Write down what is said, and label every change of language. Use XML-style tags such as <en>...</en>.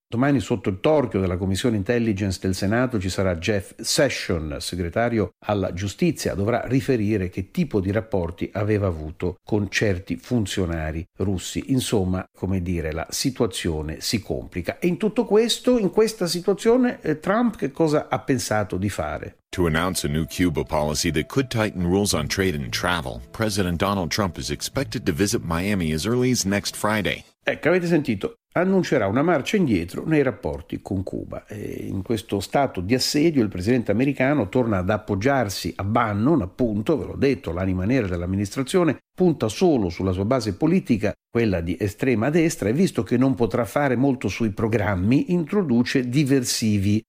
<it>Domani, sotto il torchio della Commissione Intelligence del Senato, ci sarà Jeff Sessions, segretario alla giustizia. Dovrà riferire che tipo di rapporti aveva avuto con certi funzionari russi. Insomma, come dire, la situazione si complica. E in tutto questo, in questa situazione, Trump che cosa ha pensato di fare?</it> <en>To announce a new Cuba policy that could tighten rules on trade and travel, President Donald Trump is expected to visit Miami as early as next Friday.</en> <it>Ecco, avete sentito? Annuncerà una marcia indietro nei rapporti con Cuba. E in questo stato di assedio il presidente americano torna ad appoggiarsi a Bannon, appunto, ve l'ho detto, l'anima nera dell'amministrazione, punta solo sulla sua base politica, quella di estrema destra, e visto che non potrà fare molto sui programmi, introduce diversivi.</it>